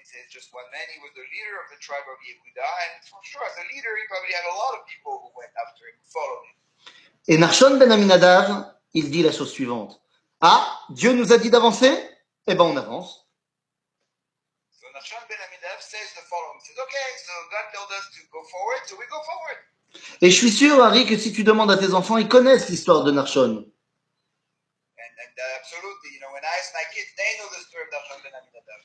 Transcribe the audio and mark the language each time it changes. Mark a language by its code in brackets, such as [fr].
[en] Just one man, he was the leader of the tribe of Yehuda, and for sure, as a leader, he probably had a lot of people who went after him, followed him. [fr] Et Nachshon ben Aminadab, il dit la chose suivante. Ah, Dieu nous a dit d'avancer? Eh ben, on avance. [en] So Nachshon ben Aminadab says the following. He says, okay, so God told us to go forward, so we go forward. [fr] Et je suis sûr, Harry, que si tu demandes à tes enfants, ils connaissent l'histoire de Nachshon. [en] And absolutely, you know, when I ask my kids, they know the story of Nachshon ben Aminadab.